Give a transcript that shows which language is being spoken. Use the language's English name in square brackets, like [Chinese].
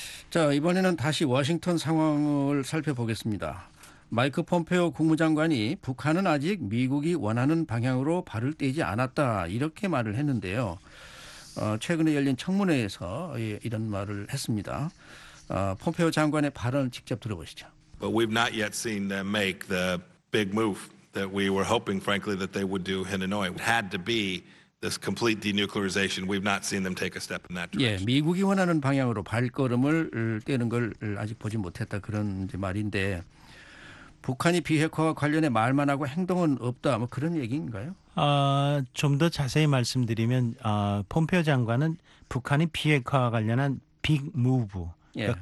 [Korean] 자, 이번에는 다시 워싱턴 상황을 살펴보겠습니다. 마이크 폼페오 국무장관이 북한은 아직 미국이 원하는 방향으로 발을 떼지 않았다 이렇게 말을 했는데요. 최근에 열린 청문회에서 이런 말을 했습니다. 폼페오 장관의 발언 직접 들어보시죠. [English] But we've not yet seen them make the big move that we were hoping, frankly, that they would do in Hanoi. It had to be this complete denuclearization. We've not seen them take a step in that direction. [Korean] 예, 미국이 원하는 방향으로 발걸음을 떼는 걸 아직 보지 못했다 그런 이제 말인데 북한이 비핵화와 관련해 말만 하고 행동은 없다 뭐 그런 얘기인가요? 좀 더 자세히 말씀드리면 폼페오 장관은 북한이 비핵화와 관련한 빅 무브 그러니까 예.